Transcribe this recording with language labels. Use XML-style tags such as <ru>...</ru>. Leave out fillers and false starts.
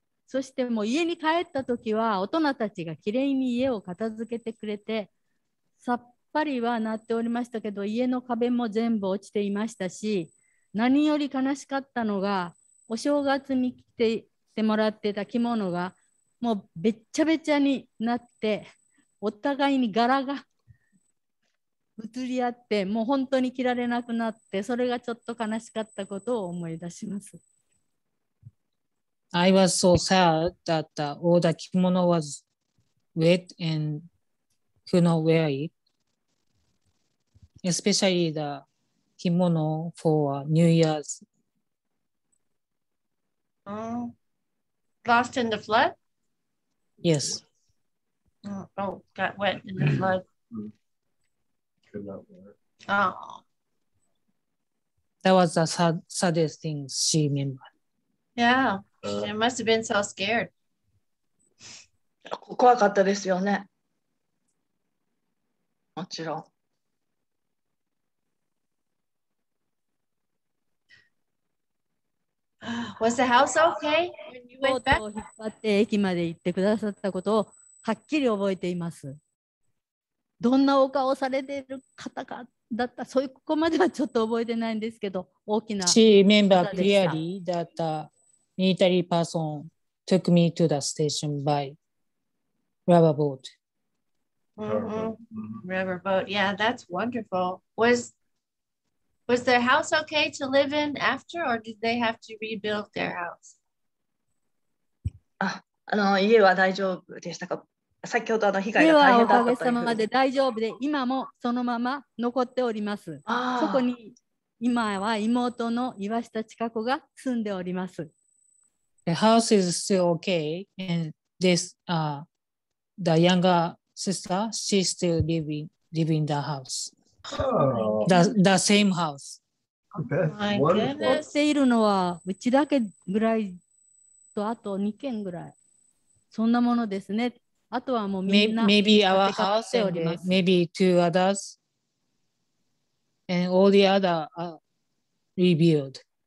<ja>そしてもう家に帰ったときは、大人たちがきれいに家を片付けてくれて、さっぱりはなっておりましたけど、家の壁も全部落ちていましたし、何より悲しかったのが、お正月に来てもらってた着物が、もうべっちゃべちゃになって、お互いに柄が移り合って、もう本当に着られなくなって、それがちょっと悲しかったことを思い出します。</ja> <en>I was so sad that all the kimono was wet and could not wear it, especially the kimono for New Year's. Lost in the flood? Yes. Got wet in the flood. Could not wear it. Oh. That was the saddest thing she remembered. Yeah. It must have been so scared.</en> <ja>怖かったですよね。もちろん。</ja> <en>Was the house okay?</en> <ja>ボートを引っ張って駅まで行ってくださったことをはっきり覚えています。どんなお顔されている方かだった、そういうここまではちょっと覚えてないんですけど、大きな。</ja> <en>She remember clearly that. Military person took me to the station by rubber boat. Mm-hmm. Rubber boat, yeah, that's wonderful. Was Was their house okay to live in after, or did they have to rebuild their house?</en> <ja>あの家は大丈夫でしたか。先ほどあの被害が大変だったというふうに。家はおかげさままで大丈夫で、今もそのまま残っております。そこに今は妹の岩下千佳子が住んでおります。</ja> <en>The house is still okay, and this, the younger sister, she's still living the house. The same house. That's wonderful.</en> <ja>残っているのはうちだけぐらいとあと2軒ぐらい。そんなものですね。あとはもうみんな</ja> <en>maybe our house and maybe two others and all the other are rebuild.</en>